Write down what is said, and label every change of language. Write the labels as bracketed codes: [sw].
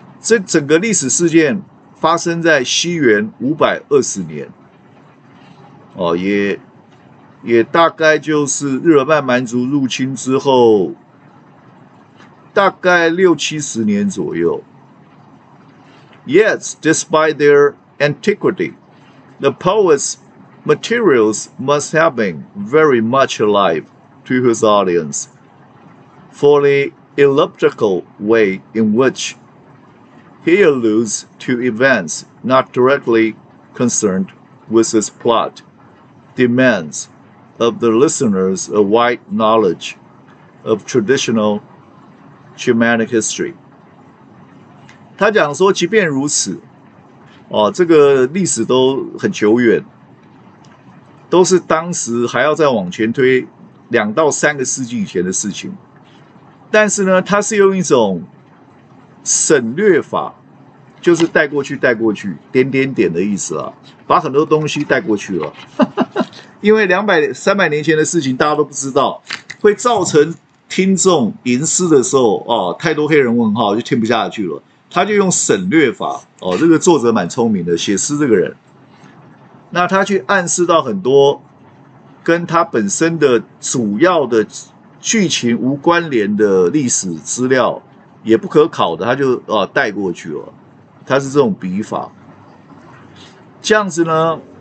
[zh] 这整个历史事件发生在西元520年，哦也大概就是日耳曼蛮族入侵之后大概六七十年左右。 [en] Yet, despite their antiquity, the poet's materials must have been very much alive to his audience for the elliptical way in which he alludes to events not directly concerned with his plot demands of the listeners a wide knowledge of traditionalGermanic history， [zh] 他讲说，即便如此，哦，这个历史都很久远，都是当时还要再往前推两到三个世纪以前的事情。但是呢，他是用一种省略法，就是带过去、带过去、点点点的意思啊，把很多东西带过去了。因为两百、三百年前的事情大家都不知道，会造成。听众吟诗的时候、哦、太多黑人问号就听不下去了，他就用省略法、哦、这个作者蛮聪明的，写诗这个人，那他去暗示到很多跟他本身的主要的剧情无关联的历史资料也不可考的，他就、哦、带过去了，他是这种笔法，这样子呢